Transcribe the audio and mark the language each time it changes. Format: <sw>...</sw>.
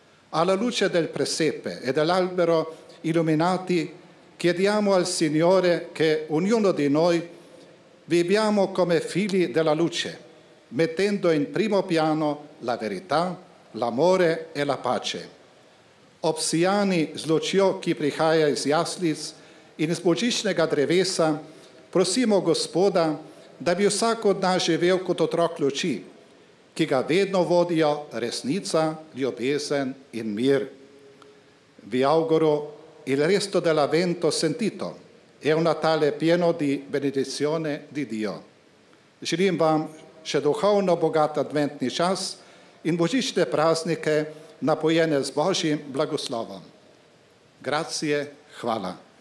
<it>Alla luce del presepe e dell'albero illuminati, chiediamo al Signore che ognuno di noi viviamo come figli della luce, mettendo in primo piano la verità, l'amore e la pace.</it> <sl>Opsijani zločio chi prihaja iz jaslic in iz božičnega drevesa, prosimo Gospoda da bi vsak od nas živel kot otrok luči, ki ga vedno vodijo resnica, ljubezen in mir.</sl> <it>Vi auguro il resto dell'avvento sentito e un Natale pieno di benedizione di Dio.</it> <sl>Želim vam še duhovno bogat adventni čas in božične praznike napojene z Božjim blagoslovom.</sl> <it>Grazie,</it> <sl>hvala.</sl>